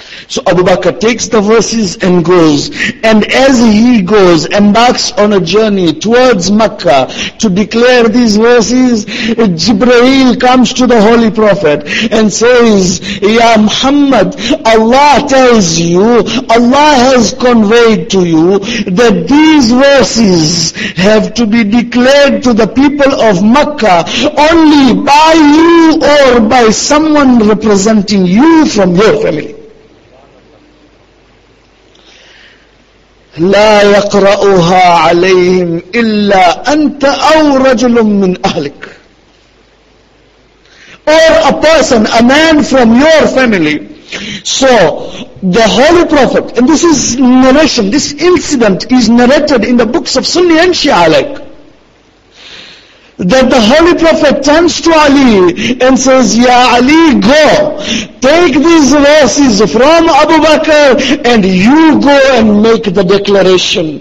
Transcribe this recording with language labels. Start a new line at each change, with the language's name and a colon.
English: So Abu Bakr takes the verses and goes, and as he goes, embarks on a journey towards Makkah to declare these verses, Jibreel comes to the Holy Prophet and says, Ya Muhammad, Allah tells you, Allah has conveyed to you that these verses have to be declared to the people of Makkah only by you or by someone representing you from your family.
Arabic: لا يقرأها عليهم إلا أنت أو رجل من أهلك.
English: Or a person, a man from your family. So the Holy Prophet, and this is narration, this incident is narrated in the books of Sunni and Shia alike, that the Holy Prophet turns to Ali and says, Ya Ali, go, take these verses from Abu Bakr and you go and make the declaration.